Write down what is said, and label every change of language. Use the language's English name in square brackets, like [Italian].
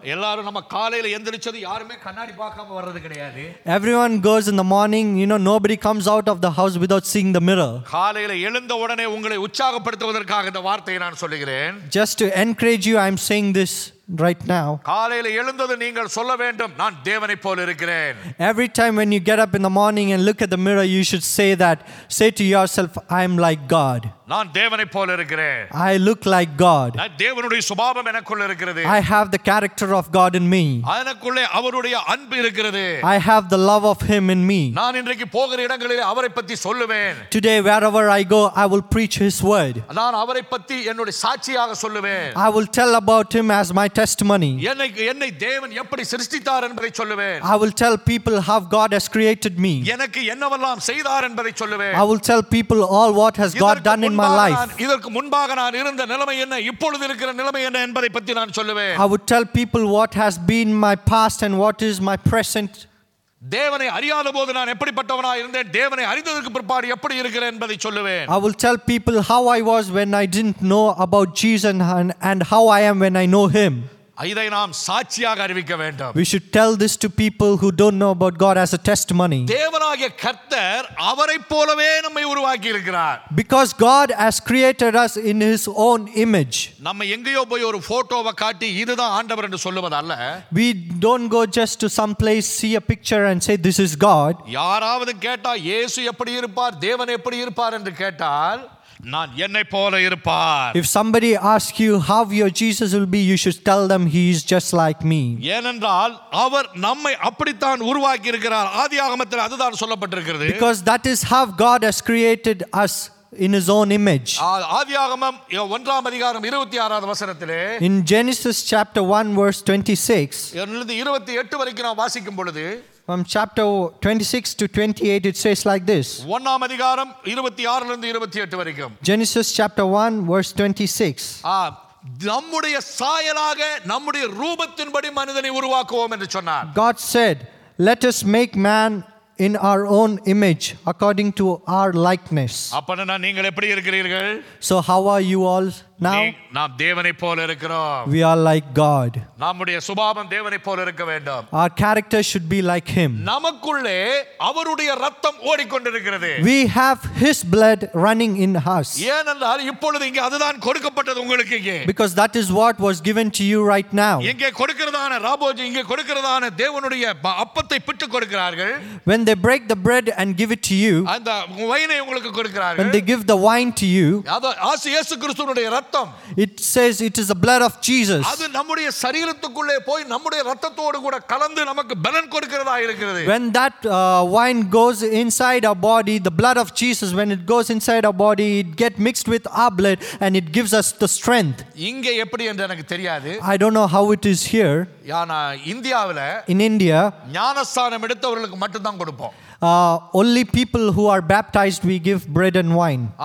[Tamil] எல்லாரும் நம்ம காலையில எந்திரச்சது யாருமே கண்ணாடி பார்க்காம வர்றது கிடையாது. [English] Everyone goes in the morning, you know, nobody comes out of the house without seeing the mirror. [Tamil] காலையில எழுந்த உடனே உங்களை உற்சாகப்படுத்துவதற்காக இந்த வார்த்தையை நான் சொல்கிறேன். [English] Just to encourage you, I'm saying this right now. [Tamil] காலையில எழுந்ததும் நீங்கள் சொல்ல வேண்டும், நான் தேவனைப் போல இருக்கிறேன். [English] Every time when you get up in the morning and look at the mirror, you should say that. Say to yourself, I am like God. [Tamil] நான் தேவனைப் போல இருக்கிறேன். [English] I look like God. [Tamil] நான் தேவனுடைய சுபாவம் எனக்குள்ள இருக்கிறது. [English] I have the character of God in me. [Tamil] எனக்குள்ளே அவருடைய அன்பு இருக்கிறது. [English] I have the love of him in me. [Tamil] நான் இன்றைக்கு போகிற இடங்களிலே அவரை பத்தி சொல்லுவேன். [English] Today wherever I go, I will preach his word. [Tamil] நான் அவரை பத்தி என்னுடைய சாட்சியாக சொல்லுவேன். [English] I will tell about him as my testimony. [Tamil] என்னை தேவன் எப்படி சிருஷ்டித்தார் என்பதை சொல்லுவேன். [English] I will tell people how God has created me. [Tamil] எனக்கு என்னவெல்லாம் செய்தார் என்பதை சொல்லுவேன். [English] I will tell people all what has God done in my life. [Tamil] இதற்கு முன்பாக நான் இருந்த நிலைமை என்ன, இப்பொழுது இருக்கிற நிலைமை என்ன என்பதை பத்தி நான் சொல்லுவேன். [English] I would tell people what has been my past and what is my present. [Tamil] தேவனை அறியாத போது நான் எப்படிப்பட்டவனாக இருந்தேன், தேவனை அறிந்ததற்கு பிற்பாடு எப்படி இருக்கிறேன் என்பதை சொல்லுவேன். [English] I will tell people how I was when I didn't know about Jesus and how I am when I know him. [Tamil] இதை நாம் சாட்சியாக அறிவிக்க வேண்டும். [English] We should tell this to people who don't know about God as a testimony. [Tamil] தேவனாகிய கர்த்தர் அவரை போலவே நம்மை உருவாக்கி இருக்கிறார். [English] Because God has created us in his own image. [Tamil] நம்ம எங்கேயோ போய் ஒரு போட்டோவை காட்டி இதுதான் ஆண்டவர் என்று சொல்லுவது அல்ல. [English] We don't go just to some place, see a picture and say this is God. [Tamil] யாராவது கேட்டா இயேசு எப்படி இருப்பார், தேவன் எப்படி இருப்பார் என்று கேட்டால் நான் என்னை போல இருப்பார். [English] If somebody asks you how your Jesus will be, you should tell them he is just like me. [Tamil] ஏனென்றால் அவர் நம்மை அப்படித்தான் உருவாக்கி இருக்கிறார். ஆதியாகமத்தில் அதுதான் சொல்லப்பட்டிருக்கிறது. [English] Because that is how God has created us in his own image. [Tamil] ஆதியாகமம் 1 அதிகாரம் 26 வசனத்திலே, [English] in Genesis chapter 1 verse 26, [Tamil] 28 வரைக்கும் நாம் வாசிக்கும் பொழுது, [English] from chapter 26 to 28 it says like this. [Tamil] 1 அதிகாரம் 26 ல இருந்து 28 வரைக்கும். [English] Genesis chapter 1 verse 26. [Tamil] நம்முடைய சாயலாக நம்முடைய ரூபத்தின்படி மனிதனை உருவாக்குவோம் என்று சொன்னார். [English] God said, let us make man in our own image according to our likeness. [Tamil] அப்பனா நீங்கள் எப்படி இருக்கிறீர்கள்? [English] So how are you all now? [Tamil] நாம் தேவனைப் போல இருக்கிறோம். [English] We are like God. [Tamil] நம்முடைய சுபாவம் தேவனைப் போல இருக்க வேண்டும். [English] Our character should be like him. [Tamil] நமக்குள்ளே அவருடைய இரத்தம் ஓடிக்கொண்டிருக்கிறது. [English] We have his blood running in us. [Tamil] ஏனென்றால் இப்பொழுது இங்கே அதுதான் கொடுக்கப்பட்டது உங்களுக்கு. [English] Because that is what was given to you right now. [Tamil] இங்கே கொடுக்கிறதான ராபோஜி இங்கே கொடுக்கிறதான தேவனுடைய அப்பத்தை பிட்டு கொடுக்கிறார்கள். [English] When they break the bread and give it to you, [Tamil] அந்த வைனை உங்களுக்கு கொடுக்கிறார்கள். [English] When they give the wine to you, [Tamil] அது ஆசி இயேசு கிறிஸ்துவின் ரத்தம். [English] It says it is the blood of Jesus. [Tamil] அது நம்முடைய சரீரத்துக்குள்ளே போய் நம்முடைய இரத்தத்தோடு கூட கலந்து நமக்கு பலன் கொடுக்கிறதா இருக்கிறது. [English] When that wine goes inside our body, the blood of Jesus, when it goes inside our body, it get mixed with our blood and it gives us the strength. [Tamil] இங்கே எப்படி என்று எனக்கு தெரியாது. [English] I don't know how it is here. [Tamil] யானா இந்தியாவில, [English] in India, [Tamil] ஞானஸ்தானம் எடுத்தவர்களுக்கு மட்டும்தான் கொடுப்போம். [English] Only people who are baptized we give bread and wine.